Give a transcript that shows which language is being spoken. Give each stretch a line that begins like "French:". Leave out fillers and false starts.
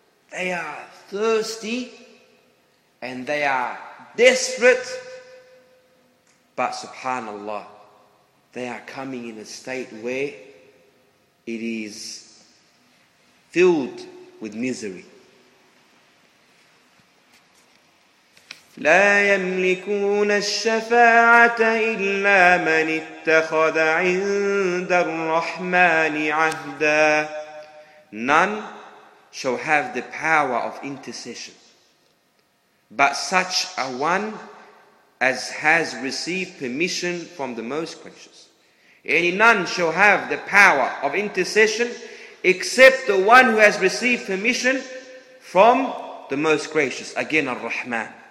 English: They are thirsty and they are desperate, but subhanallah, they are coming in a state where it is filled with misery.
Arabic: لا يملكون الشفاعة إلا من اتخذ عند الرحمن عهدا.
English: None shall have the power of intercession but such a one as has received permission from the Most Gracious. Any none shall have the power of intercession except the one who has received permission from the Most Gracious. Again, Ar-Rahman.